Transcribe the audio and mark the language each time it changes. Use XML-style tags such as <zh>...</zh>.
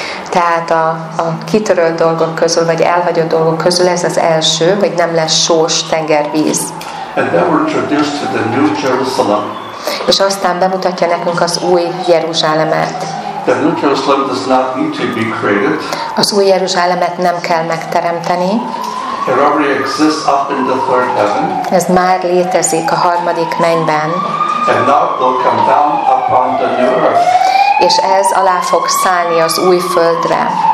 <hu>Tehát a kitörölt dolgok közül, vagy elhagyott dolgok közül ez az első, hogy nem lesz sós tengervíz.</hu> <en>And they were introduced to the new Jerusalem.</en> <hu>És aztán bemutatja nekünk az új Jeruzsálemet.</hu> <en>The new Jerusalem does not need to be created.</en> <hu>Az új Jeruzsálemet nem kell megteremteni.</hu> <en>It already exists up in the third heaven.</en> <hu>Ez már létezik a harmadik mennyben.</hu> <en>And now it will come down upon the new earth.</en> <hu>És ez alá fog szállni az új földre.</hu>